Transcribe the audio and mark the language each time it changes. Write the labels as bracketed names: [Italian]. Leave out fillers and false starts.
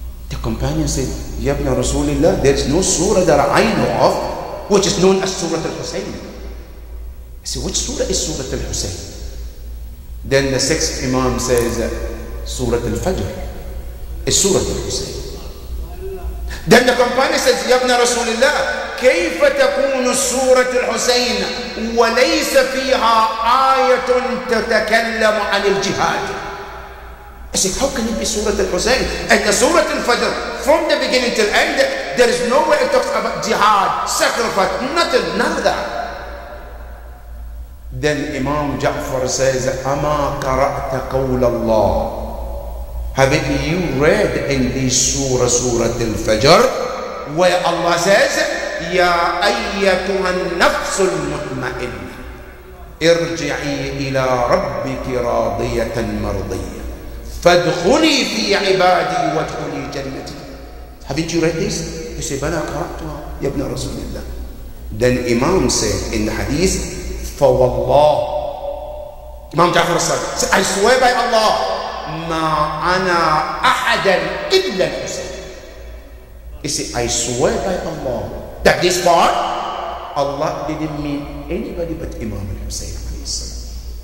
[English] The companion said, Ya Ibn Rasulullah, there is no surah that I know of which is known as Surah al-Husayn. See, which surah is Surah Al-Husayn? Then the sixth Imam says, Surah Al-Fajr is Surah Al-Husayn. Then the companion says, [Arabic] Ya Ibn Rasulullah, كيف تكون سورة الحسين وليس فيها آية تتكلم عن الجهاد? [English] I said, how can it be Surah Al-Husayn? And the Surah Al-Fajr, from the beginning till end, there is no way it talks about jihad, sacrifice, nothing, none of that. Then Imam Ja'far says, [Arabic] أما قرأت قول الله? [English] Haven't you read in this Surah, Surah Al-Fajr, where Allah says, [Arabic] يا أيتها النفس المطمئنة ارجعي إلى ربك راضية مرضية فادخلي في عبادي وادخلي جنتي. [English] Haven't you read this? [Arabic] He said, بلى قرأتها يا ابن رسول الله. [English] Then Imam said in the hadith, [Arabic] فوالله, [English] Imam Ja'far said, I swear by Allah, [Arabic] ما أنا أحدا إلا الحسين. [English] He said, I swear by Allah, that this part, Allah didn't mean anybody but Imam al-Husayn alayhi salam.